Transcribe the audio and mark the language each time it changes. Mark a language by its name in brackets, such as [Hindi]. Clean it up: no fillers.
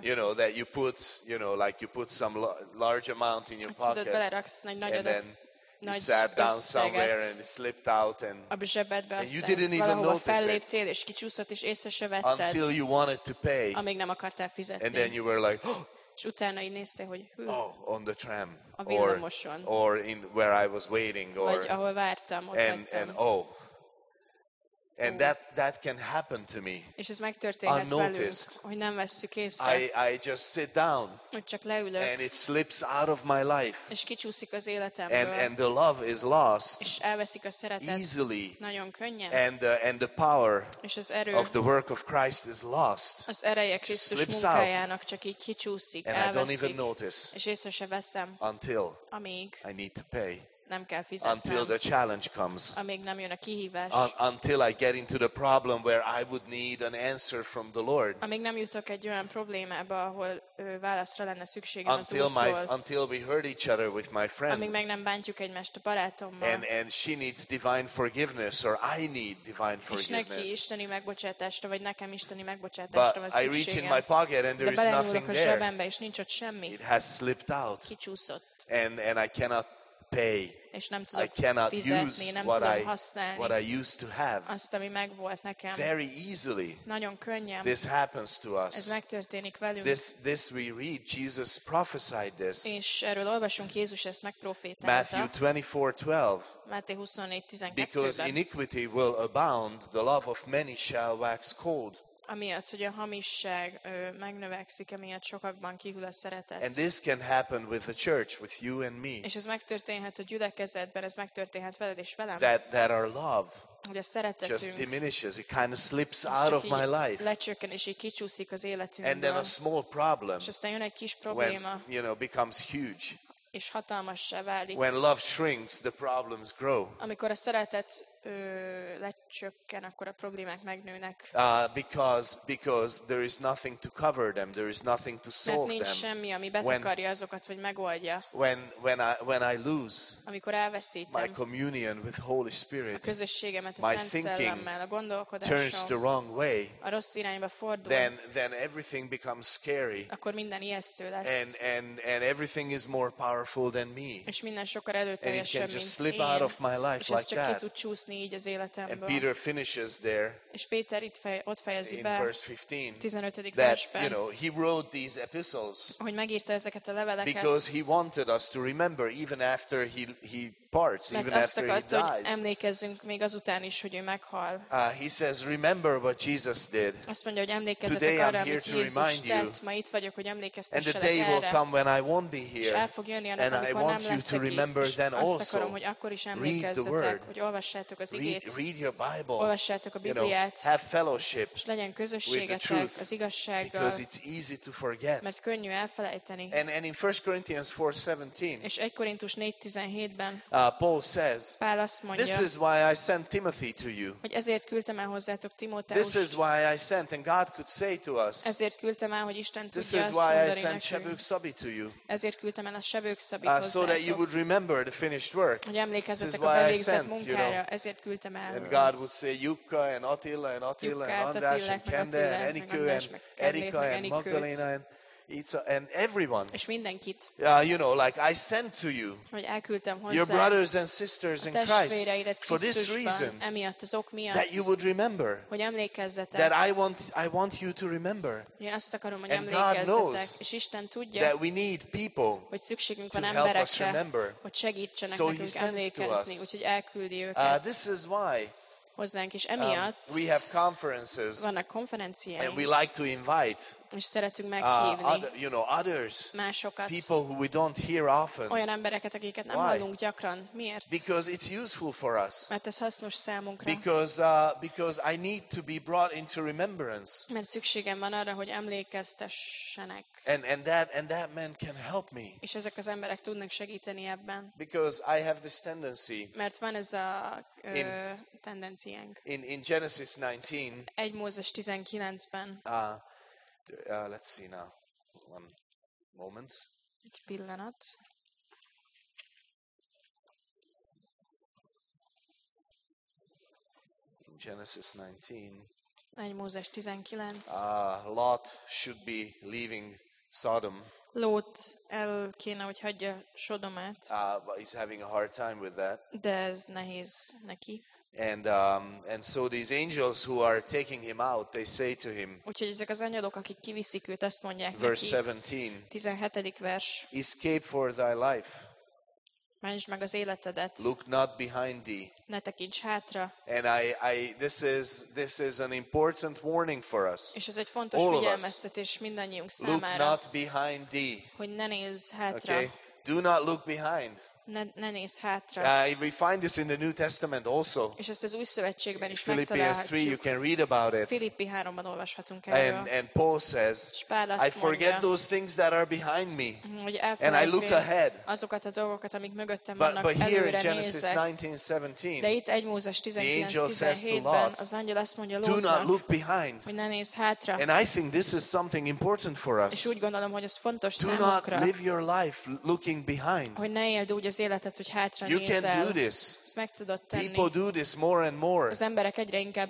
[English] You know, that you put, you know, like you put some large amount in your pocket, [Hungarian] tudod, beleraksz nagy nagyodat, [English] and then [Hungarian] nagy [English] you sat down [Hungarian] összeget [English] somewhere and it slipped out and [Hungarian] a zsebedbe, [English] and you didn't even notice it. [Hungarian] Felléptél, és kicsúszott, és észre se vetted, [English] until you wanted to pay. [Hungarian] Amíg nem akartál fizetni. [English] And then you were like, [Hungarian] és utána így nézte, hogy [English] oh, on the tram, [Hungarian] a villamoson, [English] or in where I was waiting, or [Hungarian] vagy ahol vártam, ott [English] and oh. And that can happen to me. [Hungarian] És ez megtörténhet [English] unnoticed [Hungarian] velünk, hogy nem vesszük észre. [English] I just sit down. [Hungarian] Hogy csak leülök. [English] And it slips out of my life. [Hungarian] És kicsúszik az életemből. [English] And the love is lost. [Hungarian] És elveszik a szeretet. [English] Easily. [Hungarian] Nagyon könnyen. [English] And the power. [Hungarian] És az erő. [English] Of the work of Christ is lost. [Hungarian] Az ereje Krisztus munkájának csak így kicsúszik, [English] and [Hungarian] elveszik. [English] I don't even notice. [Hungarian] És észre se veszem. [English] Until. [Hungarian] Amíg. [English] I need to pay. [Hungarian] Nem kell fizetnem, [English] until the challenge comes. [Hungarian] Amíg nem jön a kihívás. [English] Until I get into the problem where I would need an answer from the Lord. [Hungarian] Amíg nem jutok egy olyan problémába, ahol válaszra lenne szükségem [English] until [Hungarian] az Úrtól. [English] Until we hurt each other with my friend. [Hungarian] Amíg meg nem bántjuk egymást a barátommal. [English] And she needs divine forgiveness, or I need divine forgiveness. [Hungarian] És neki isteni megbocsátásra, vagy nekem isteni megbocsátásra [English] but [Hungarian] van szükségem. [English] But I reach in my pocket and there is nothing there. [Hungarian] De belenyúlok a zsebembe, és nincs ott semmi. [English] It has slipped out. [Hungarian] Kicsúszott. [English] And I cannot pay. [Hungarian] És nem tudok [English] I cannot [Hungarian] fizetni, [English] use [Hungarian] nem [English] what, [Hungarian] tudom [English] I, [Hungarian] használni [English] what I used to have. [Hungarian] Azt, ami megvolt nekem. [English] Very easily. [Hungarian] Nagyon könnyen. [English] This happens to us. [Hungarian] Ez megtörténik velünk. [English] This we read. Jesus prophesied this. [Hungarian] És erről olvasunk, Jézus ezt megprofétálta. [English] Matthew 24:12. [Hungarian] Máté 24:12. [English] Because iniquity will abound, the love of many shall wax cold. [Hungarian] Amiatt, hogy a hamisság megnövekszik, amiatt sokakban kihull a szeretet. [English] And this can happen with the church, with you and me. [Hungarian] És ez megtörténhet a gyülekezetben, ez megtörténhet veled és velem. [English] That our love [Hungarian] hogy a szeretetünk [English] just diminishes, it kind of slips out of my life. [Hungarian] Lecsökken, és így kicsúszik az életünkből. [English] And then a small problem, [Hungarian] és aztán jön egy kis probléma, [English] when, you know, becomes huge. [Hungarian] És hatalmassá válik. [English] When love shrinks, the problems grow. [Hungarian] Amikor a szeretet lecsökken, akkor a problémák megnőnek. [English] Because there is nothing to cover them, there is nothing to solve them. [Hungarian] Mert nincs semmi, ami betakarja azokat, vagy megoldja. [English] When I lose. [Hungarian] Amikor elveszítem. [English] My communion with Holy Spirit. [Hungarian] A közösségemet a Szent Szellemmel, a gondolkodásom. [English] Turns the wrong way. [Hungarian] A rossz irányba fordul. [English] Then everything becomes scary. [Hungarian] Akkor minden ijesztő lesz. [English] And everything is more powerful than me. [Hungarian] És minden sokkal erőteljesebb, mint én. [English] And it can just slip out of my life like that. [Hungarian] Így az életemből. [English] And Peter finishes there. [Hungarian] És Péter itt ott fejezi be. [English] In verse 15. [Hungarian] 15. [English] That, [Hungarian] versben. [English] You know, he wrote these epistles. [Hungarian] Hogy megírta ezeket a leveleket. [English] Because he wanted us to remember even after he parts, [Hungarian] mert [English] even after [Hungarian] akart, [English] he dies. [Hungarian] Hogy emlékezzünk még azután is, hogy ő meghal. [English] He says, remember what Jesus did. [Hungarian] Azt mondja, hogy emlékezzetek arra, amit Jézus tett. [English] You. [Hungarian] Ma itt vagyok, hogy emlékeztesselek erre. [English] And the day will come when I won't be here. [Hungarian] És el fog jönni, annak, amikor nem leszek itt. És azt akarom, hogy akkor is emlékezzetek, hogy olvassátok az igét, [English] read your Bible, [Hungarian] olvassátok a Bibliát, [English] have fellowship, [Hungarian] és legyen közösségetek az igazsággal, [English] because it's easy to forget. [Hungarian] Mert könnyű elfelejteni. [English] And in 1 Corinthians 4:17, [Hungarian] és 1 Korintus 4:17-ben [English] Paul says, [Hungarian] Pál azt mondja, [English] this is why I sent Timothy to you. [Hungarian] Hogy ezért küldtem el hozzátok Timóteust. [English] This is why I sent, and God could say to us, [Hungarian] ezért küldtem el, hogy Isten tudja azt mondani. [English] This is why I sent Sebők Szabi to you. [Hungarian] Ezért küldtem el a Sebők Szabit hozzátok. [English] So that you would remember the finished work. [Hungarian] Hogy emlékezzetek a bevégzett munkára. [English] You know, [Hungarian] ezért küldtem el. [English] And God would say, Jukka and Attila and Attila and András and Kende and Enikő and Erika and Magdalena and Itza and everyone. [Hungarian] És mindenkit. [English] You know, like I sent to you. [Hungarian] Hogy elküldtem hozzá. [English] Your brothers and sisters in Christ. For this reason. [Hungarian] Emiatt, az ok miatt. [English] That you would remember. [Hungarian] Hogy emlékezzetek. [English] That I want you to remember. [Hungarian] Én azt akarom, hogy emlékezzetek. És Isten tudja. [English] That we need people. [Hungarian] Hogy szükségünk van emberekre. Hogy segítsenek [English] so [Hungarian] nekünk emlékezni. Úgyhogy elküldi őket. [English] This is why. [Hungarian] Hozzánk, és emiatt [English] we have conferences, [Hungarian] vannak konferenciáink, [English] and we like to invite, [Hungarian] és szeretünk meghívni [English] you know, others, [Hungarian] másokat, [English] people who we don't hear often. [Hungarian] Olyan embereket, akiket nem [English] Why? [Hungarian] Hallunk gyakran. Miért? [English] Because it's useful for us. [Hungarian] Mert ez hasznos számunkra. [English] Because I need to be brought into remembrance. [Hungarian] Mert szükségem van arra, hogy emlékeztessenek. [English] And that man can help me. [Hungarian] És ezek az emberek tudnak segíteni ebben. [English] Because I have this tendency. [Hungarian] Mert van ez a tendenciánk. [English] In Genesis 19. [Hungarian] 1 Mózes 19-ben. [English] Let's see now. One moment. [Hungarian] Egy pillanat. [English] In Genesis 19. [Hungarian] Egy Mózes 19. [English] Lot should be leaving Sodom. [Hungarian] Lot el kéne, hogy hagyja Sodomát. [English] He's having a hard time with that. [Hungarian] De ez nehéz neki. [English] And so these angels who are taking him out, they say to him. [Hungarian] Úgyhogy ezek az angyalok, akik kiviszik őt, azt mondják neki. [English] Verse 17. [Hungarian] 17. vers. [English] Escape for thy life. [Hungarian] Menj meg az életedet. [English] Look not behind thee. [Hungarian] Ne tekints hátra. [English] And I this is an important warning for us. [Hungarian] És ez egy fontos figyelmeztetés mindannyiunk számára. [English] Look not behind thee. [Hungarian] Hogy ne nézz hátra. [English] Okay. Do not look behind. [Hungarian] Ne nézz hátra. [English] We find this in the New Testament also. [Hungarian] És ezt az Új Szövetségben is [English] Philippians 3, you can read about it. [Hungarian] Filippi 3-ban olvashatunk erről. [English] And Paul says, I forget [Hungarian] mondja, [English] those things that are behind me. And I look ahead. [Hungarian] Azokat a dolgokat, amik mögöttem vannak, előre nézek. [English] But here in Genesis 19:17, [Hungarian] de itt 1 Mózes 19:17-ben az angyal azt mondja Lótnak, [English] do not look behind. [Hungarian] Hogy ne nézz hátra. [English] And I think this is something important for us. [Hungarian] És úgy gondolom, hogy ez fontos számunkra. [English] Do not live your life looking behind. [Hungarian] Hogy ne éld úgy az életet, hogy hátra [English] you [Hungarian] nézel. [English] Can do this. [Hungarian] Ezt meg tudod tenni. [English] People do this more and more. [Hungarian] Az emberek egyre inkább